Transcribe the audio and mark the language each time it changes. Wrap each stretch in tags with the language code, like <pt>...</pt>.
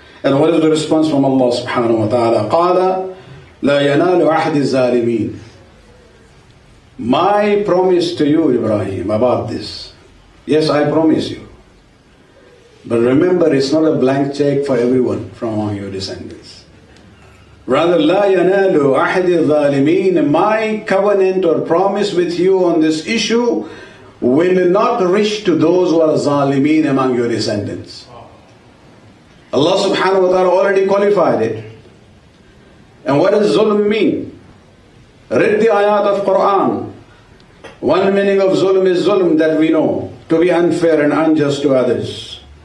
<en>And what is the response from Allah subhanahu wa ta'ala?</en> <ar>قَالَ لَا يَنَالُ عَحْدِ الظَّالِمِينَ.</ar> <en>My promise to you, Ibrahim, about this. Yes, I promise you. But remember, it's not a blank check for everyone from among your descendants.</en> <ar>Rather, لَا يَنَالُ عَحْدِ الظَّالِمِينَ.</ar> <en>My covenant or promise with you on this issue will not reach to those who are zalimeen among your descendants. Allah subhanahu wa ta'ala already qualified it. And what does zulm mean? Read the ayat of Quran. One meaning of zulm is zulm that we know, to be unfair and unjust to others.</en>